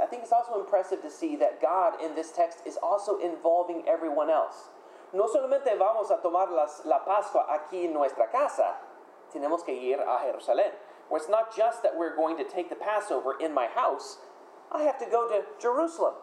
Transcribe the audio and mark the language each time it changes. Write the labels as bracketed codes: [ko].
[en] I think it's also impressive to see that God in this text is also involving everyone else. [es] No solamente vamos a tomar la Pascua aquí en nuestra casa, tenemos que ir a Jerusalén. [en] Well, it's not just that we're going to take the Passover in my house, I have to go to Jerusalem.